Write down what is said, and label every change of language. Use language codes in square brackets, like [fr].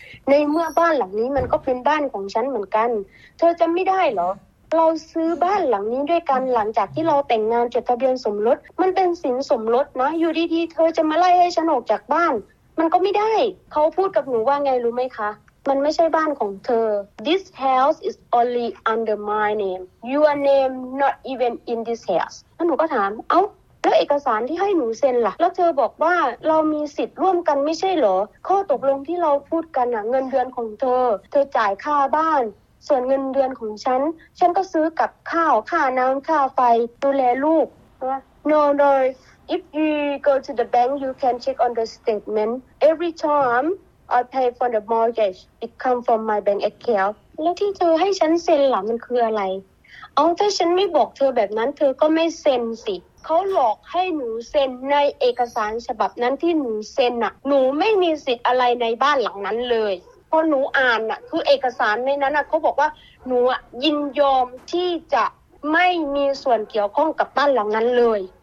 [th] ในเมื่อบ้านหลังนี้มันก็เป็นบ้านของฉันเหมือนกันเธอจะไม่ได้เหรอเราซื้อบ้านหลังนี้ด้วยกันหลังจากที่เราแต่งงานจดทะเบียนสมรสมันเป็นสินสมรสนะอยู่ดีๆเธอจะมาไล่ให้ฉันออกจากบ้านมันก็ไม่ได้เขาพูดกับหนูว่าไงรู้ไหมคะมันไม่ใช่บ้านของเธอ [en] This house is only under my name. Your name not even in this house. [th] แล้วหนูก็ถามเอ้าแล้วเอกสารที่ให้หนูเซ็นล่ะแล้วเธอบอกว่าเรามีสิทธิ์ร่วมกันไม่ใช่เหรอข้อตกลงที่เราพูดกันอะเงินเดือนของเธอเธอจ่ายค่าบ้านส่วนเงินเดือนของฉันฉันก็ซื้อกับข้าวค่าน้ำค่าไฟดูแลลูกนะ [en] No no. If you go to the bank, you can check on the statement every time. I pay for the mortgage. It come from my bank account. [th] แล้วที่เธอให้ฉันเซ็นล่ะมันคืออะไรเอาถ้าฉันไม่บอกเธอแบบนั้นเธอก็ไม่เซ็นสิเขาหลอกให้หนูเซ็นในเอกสารฉบับนั้นที่หนูเซ็นอ่ะหนูไม่มีสิทธิ์อะไรในบ้านหลังนั้นเลยพอหนูอ่านอ่ะคือเอกสารในนั้นอ่ะเขาบอกว่าหนูยินยอมที่จะไม่มีส่วนเกี่ยวข้องกับบ้านหลังนั้นเลย